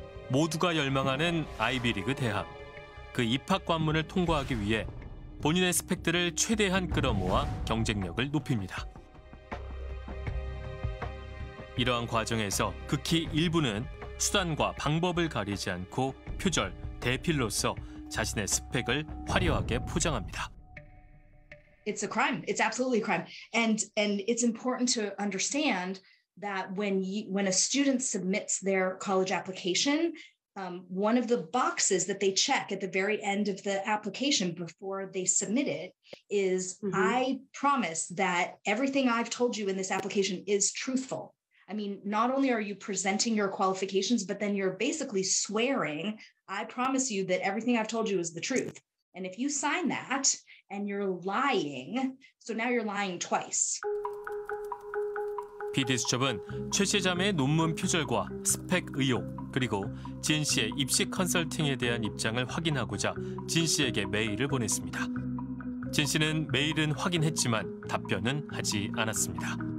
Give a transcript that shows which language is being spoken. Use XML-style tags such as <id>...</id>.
<ko>모두가 열망하는 아이비리그 대학. 그 입학 관문을 통과하기 위해 본인의 스펙들을 최대한 끌어모아 경쟁력을 높입니다. 이러한 과정에서 극히 일부는 수단과 방법을 가리지 않고 표절, 대필로서 자신의 스펙을 화려하게 포장합니다.</ko> <en>It's a crime. It's absolutely a crime. And it's important to understand that when a student submits their college application, one of the boxes that they check at the very end of the application before they submit it is I promise that everything I've told you in this application is truthful. I mean, not only are you presenting your qualifications, but then you're basically swearing, I promise you that everything I've told you is the truth. And if you sign that and you're lying, so now you're lying twice.</en> <ko>PD수첩은 최 씨 자매의 논문 표절과 스펙 의혹, 그리고 진 씨의 입시 컨설팅에 대한 입장을 확인하고자 진 씨에게 메일을 보냈습니다. 진 씨는 메일은 확인했지만 답변은 하지 않았습니다.</ko>